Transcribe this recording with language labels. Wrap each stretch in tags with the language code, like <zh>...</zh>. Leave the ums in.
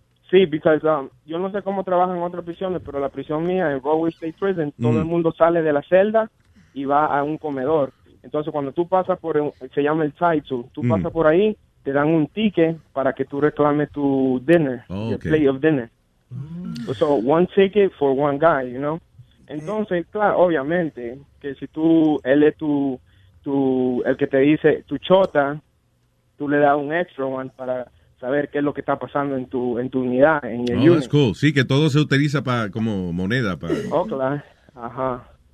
<es>Sí, porque um, yo no sé cómo trabajan otras prisiones, pero la prisión mía en Broadway State Prison, todo mm. el mundo sale de la celda y va a un comedor. Entonces, cuando tú pasas por, el, se llama el Taito, tú mm. pasas por ahí, te dan un ticket para que tú reclames tu</es> <en>dinner, okay. plate of dinner. Mm. So, one ticket for one guy, you know?</en> <es>Entonces, claro, obviamente, que si tú, él es tu, tu, el que te dice tu chota, tú le das un</es> <en>extra one</en> <es>para saber qué es lo que está pasando en tu, en tu unidad. En el</es> <en>oh, that's cool. Unit.</en> <es>Sí, que todo se utiliza para, como moneda. Para... Oh, claro. Ajá.</es>